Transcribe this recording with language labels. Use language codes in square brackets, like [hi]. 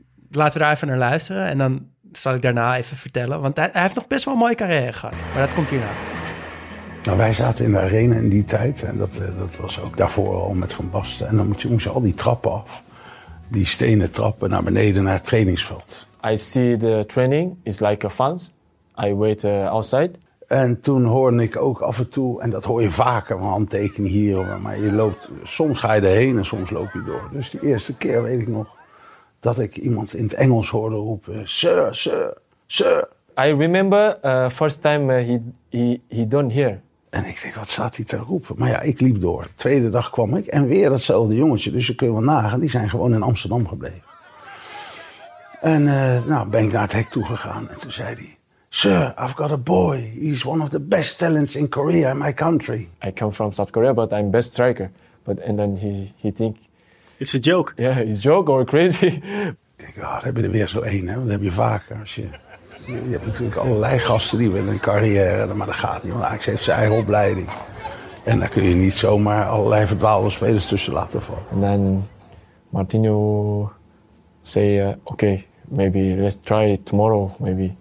[nl] Laten we daar even naar luisteren. En dan zal ik daarna even vertellen. Want hij heeft nog best wel een mooie carrière gehad. Maar dat komt hierna. Nou, wij zaten in de arena in die tijd. En dat was ook daarvoor al met Van Basten. En dan moest je al die trappen af. Die stenen trappen naar beneden naar het trainingsveld. [en] I see the training is like a fans. I wait outside. [nl] En toen hoorde ik ook af en toe, en dat hoor je vaker, van handtekening hier. Maar je loopt, soms ga je erheen en soms loop je door. Dus de eerste keer weet ik nog dat ik iemand in het Engels hoorde roepen, [en] sir, sir, sir. I remember first time he don't hear. [nl] En ik denk, wat staat hij te roepen? Maar ja, ik liep door. Tweede dag kwam ik en weer datzelfde jongetje. Dus je kunt wel nagaan, die zijn gewoon in Amsterdam gebleven. En ben ik naar het hek toe gegaan. En toen zei hij, [en] sir, I've got a boy. He's one of the best talents in Korea, in my country. I come from South Korea, but I'm best striker. But and then he think, it's a joke. Yeah, it's a joke or crazy. [nl] Ik denk, daar heb je er weer zo één, hè? Want dat heb je vaker. Als je hebt natuurlijk allerlei gasten die willen een carrière. Maar dat gaat niet, want Ajax heeft zijn eigen opleiding. En daar kun je niet zomaar allerlei verdwaalde spelers tussen laten vallen. En dan Martino zei, oké, [en] maybe let's try it tomorrow, maybe.